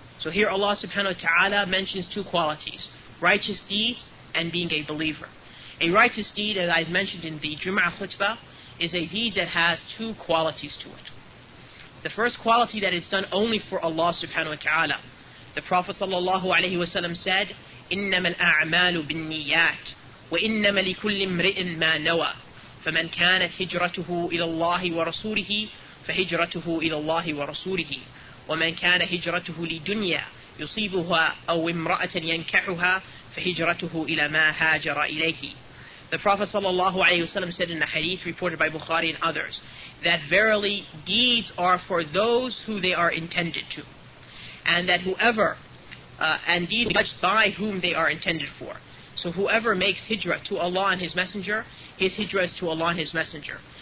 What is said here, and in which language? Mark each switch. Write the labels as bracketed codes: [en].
[en] So here Allah subhanahu wa ta'ala mentions two qualities, righteous deeds and being a believer. A righteous deed, as I mentioned in the Jum'ah khutbah, is a deed that has two qualities to it. The first quality, that it's done only for Allah subhanahu wa ta'ala. The Prophet sallallahu alayhi wa sallam said, [ar] إِنَّمَا الْأَعْمَالُ بِالنِّيَّاتِ وَإِنَّمَا لِكُلِّ امْرِئٍ مَا نَوَى فَمَنْ كَانَتْ هِجْرَتُهُ إِلَى اللَّهِ وَرَسُولِهِ فَهِجْرَتُهُ إِلَى اللَّهِ وَرَسُولِهِ وَمَنْ كَانَ هِجْرَتُهُ لِدُنْيَا يُصِيبُهَا أَوْ امْرَأَةً يَنْكَحُهَا فَهِجْرَتُهُ إِلَى مَا هَاجَرَ إِلَيْهِ. [en] The Prophet sallallahu alayhi wa sallam said in a hadith reported by Bukhari and others, that verily deeds are for those who they are intended to. And that whoever, and deeds judged by whom they are intended for. So whoever makes hijrah to Allah and His Messenger, his hijrah is to Allah and His Messenger.